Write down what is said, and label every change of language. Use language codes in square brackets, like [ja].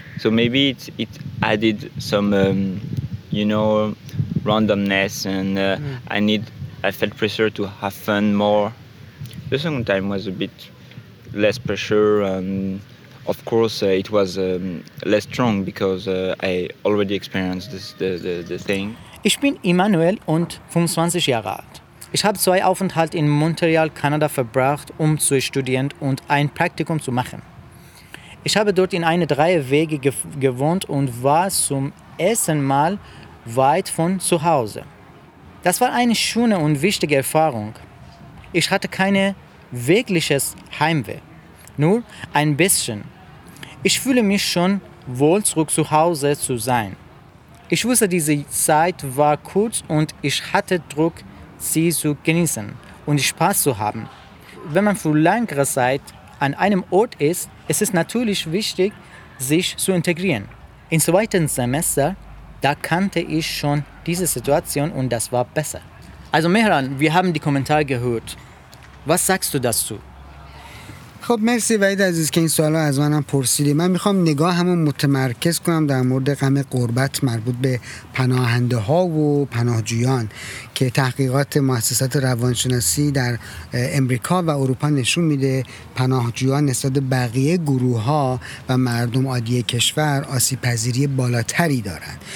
[en] So maybe it added some, randomness and I felt pressure to have fun more. The second time was a bit less pressure and of course, it was less strong because I already experienced the thing. [de] Ich bin Emmanuel und 25 Jahre alt. Ich habe 2 Aufenthalte in Montreal, Kanada verbracht, um zu studieren und ein Praktikum zu machen. Ich habe dort in eine 3 Wege gewohnt und war zum ersten Mal weit von zu Hause. Das war eine schöne und wichtige Erfahrung. Ich hatte keine wirkliches Heimweh. Nur ein bisschen. Ich fühle mich schon wohl, zurück zu Hause zu sein. Ich wusste, diese Zeit war kurz und ich hatte Druck, sie zu genießen und Spaß zu haben. Wenn man für längere Zeit an einem Ort ist, es ist natürlich wichtig, sich zu integrieren. Im 2. Semester, da kannte ich schon diese Situation und das war besser. Also Mehran, wir haben die Kommentare gehört. Was sagst du dazu? [fa] خب مرسی وحید عزیز که این سوالو از منم پرسیدی. من میخوام نگاهمو متمرکز کنم در مورد غم غربت مربوط به پناهنده ها و پناهجویان که تحقیقات مؤسسات روانشناسی در امریکا و اروپا نشون میده پناهجویان نسبت بقیه گروه ها و مردم عادی کشور آسیب پذیری بالاتری دارند.